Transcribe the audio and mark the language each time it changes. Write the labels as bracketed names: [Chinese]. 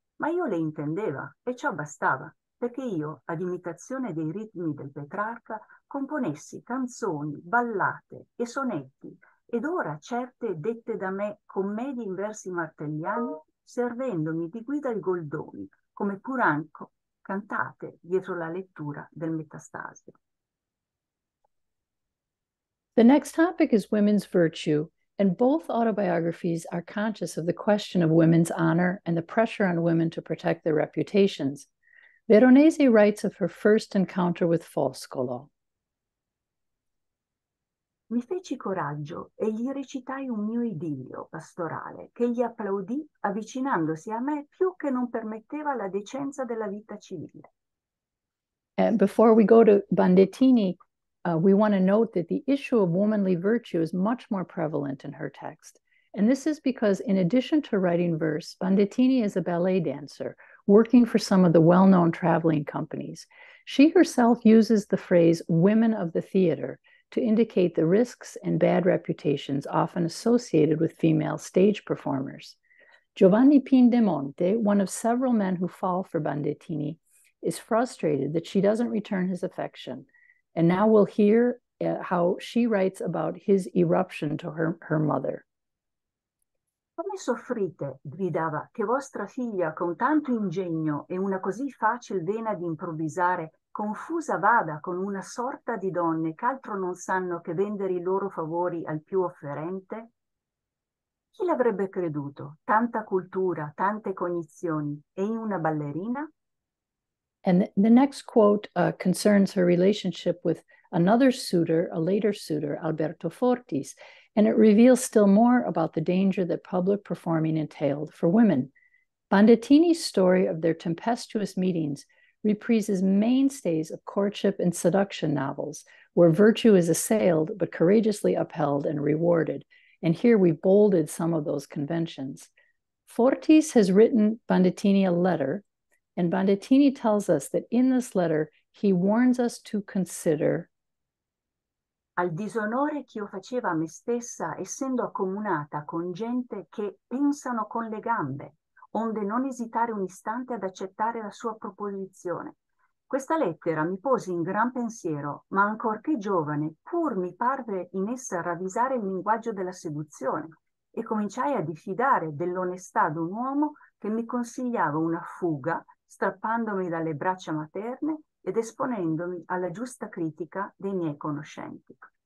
[Italian] Ma io le intendeva e ciò bastava, perché io, ad imitazione dei ritmi del Petrarca, componessi canzoni, ballate e sonetti, ed ora certe dette da me commedie in versi martelliani, servendomi di guida il Goldoni, come Puranco, cantate dietro la lettura del Metastasio. [English] The next topic is women's virtue. And both autobiographies are conscious of the question of women's honor and the pressure on women to protect their reputations. Veronese writes of her first encounter with Foscolo. [Italian] Mi feci coraggio e gli recitai un mio idillio pastorale, che gli applaudì avvicinandosi a me più che non permetteva la decenza della vita civile. [English] And before we go to Bandettini, we want to note that the issue of womanly virtue is much more prevalent in her text. And this is because in addition to writing verse, Bandettini is a ballet dancer working for some of the well-known traveling companies. She herself uses the phrase women of the theater to indicate the risks and bad reputations often associated with female stage performers. Giovanni Pindemonte, one of several men who fall for Bandettini, is frustrated that she doesn't return his affection. And now we'll hear how she writes about his eruption to her mother. [Italian] Come soffrite, gridava, che vostra figlia con tanto ingegno e una così facil vena di improvvisare confusa vada con una sorta di donne che altro non sanno che vendere i loro favori al più offerente? Chi l'avrebbe creduto? Tanta cultura, tante cognizioni e in una ballerina? [English] And the next quote concerns her relationship with another suitor, a later suitor, Alberto Fortis, and it reveals still more about the danger that public performing entailed for women. Bandettini's story of their tempestuous meetings reprises mainstays of courtship and seduction novels, where virtue is assailed but courageously upheld and rewarded. And here we bolded some of those conventions. Fortis has written Bandettini a letter. And Bandettini tells us that in this letter, he warns us to consider. [Italian] Al disonore che io facevo a me stessa, essendo accomunata con gente che pensano con le gambe, onde non esitare un istante ad accettare la sua proposizione. Questa lettera mi pose in gran pensiero, ma ancorché giovane, pur mi parve in essa ravvisare il linguaggio della seduzione, e cominciai a diffidare dell'onestà d'un uomo che mi consigliava una fuga, strappandomi dalle braccia materne ed esponendomi alla giusta critica dei miei conoscenti.